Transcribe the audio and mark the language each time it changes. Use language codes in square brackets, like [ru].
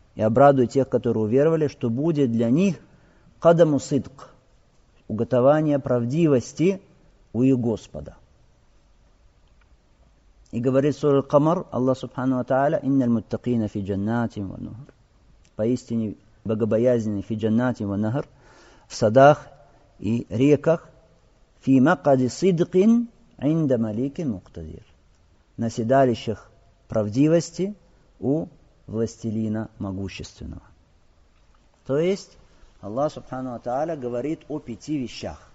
[ru] И обрадуй тех, которые уверовали, что будет для них [ar] قَدَمُ صِدْق. [ru] Уготование правдивости у их Господа. И говорит сура Камар, Аллах Субхану Ва Тааля, [ar] إِنَّ الْمُتَّقِينَ فِي جَنَّاتٍ وَنَهَرْ. [ru] Поистине богобоязненные [ar] فِي جَنَّاتٍ وَنَهَرْ. [ru] В садах и реках. [ar] «Фи макади сидкин инда малики муктадир». [ru] На седалищах правдивости у властелина могущественного. То есть Аллах Субхану Ва Тааля говорит о пяти вещах.